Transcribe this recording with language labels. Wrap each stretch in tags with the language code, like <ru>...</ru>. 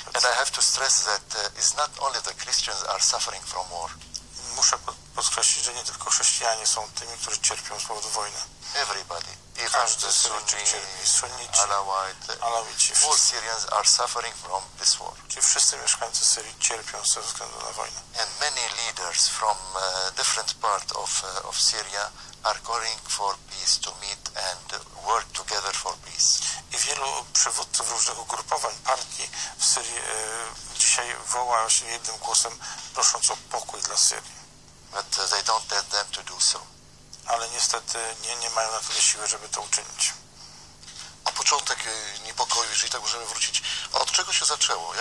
<en>And I have to stress that it's not only the Christians are suffering from war.</en> <pl>Muszę podkreślić, że nie tylko chrześcijanie są tymi, którzy cierpią z powodu wojny.</pl> <en>Everybody.</en> <pl>Każdy Syryjczyk,</pl> <en>Alawite,</en> <pl>Alawici,</pl> <en>all Syrians are suffering from this war.</en> <pl>Czyli wszyscy mieszkańcy Syrii cierpią ze względu na wojnę.</pl> <en>And many leaders from different part of Syria are calling for peace to meet and work together for peace.</en> <pl>I wielu przywódców różnych ugrupowań, partii w Syrii dzisiaj wołają się jednym głosem, prosząc o pokój dla Syrii.</pl> <en>But they don't let them to do so.</en> <pl>Ale niestety nie mają na tyle siły, żeby to uczynić. A początek niepokoju, jeżeli tak możemy wrócić, od czego się zaczęło?</pl>